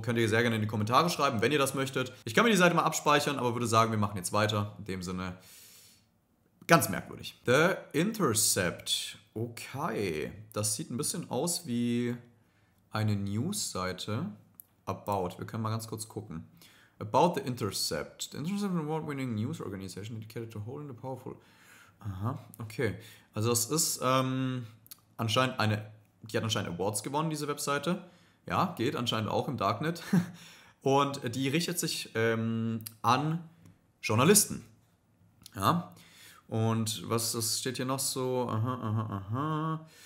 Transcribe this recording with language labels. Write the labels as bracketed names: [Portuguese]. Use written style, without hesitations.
[German] Könnt ihr sehr gerne in die Kommentare schreiben, wenn ihr das möchtet. Ich kann mir die Seite mal abspeichern, aber würde sagen, wir machen jetzt weiter. In dem Sinne, ganz merkwürdig. The Intercept. Okay, das sieht ein bisschen aus wie eine Newsseite. About, wir können mal ganz kurz gucken. About The Intercept. [English] The Intercept is an award-winning news organization dedicated to holding the powerful. [German] Aha, okay. Also es ist anscheinend eine, die hat anscheinend Awards gewonnen, diese Webseite. Ja, geht anscheinend auch im Darknet. Und die richtet sich an Journalisten. Ja. Und was das steht hier noch so? Aha.